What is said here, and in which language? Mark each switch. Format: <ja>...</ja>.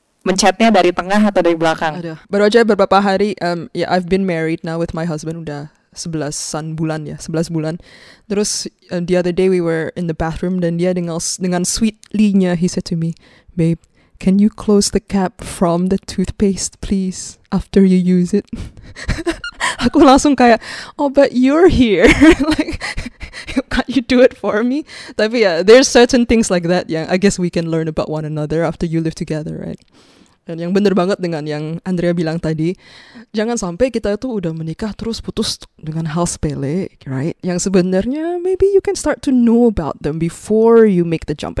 <id>Mencetnya dari tengah atau dari belakang. Aduh. Baru aja beberapa hari,</id> <en>I've been married now with my husband</en> <id>udah 11 bulan.</id> <en>Terus the other day we were in the bathroom</en> <id>dan dia dengan sweetly-nya,</id> <en>he said to me, "Babe, can you close the cap from the toothpaste please after you use it?"</en> <id>Aku langsung kayak,</id> <en>oh, but you're here. Like, can't you do it for me? Tapi yeah, there's certain things like that. Yeah, I guess we can learn about one another after you live together, right?</en> <id>Dan yang benar banget dengan yang Andrea bilang tadi, jangan sampai kita tuh udah menikah terus putus dengan hal sepele, right? Yang sebenarnya,</id> <en>maybe you can start to know about them before you make the jump.</en>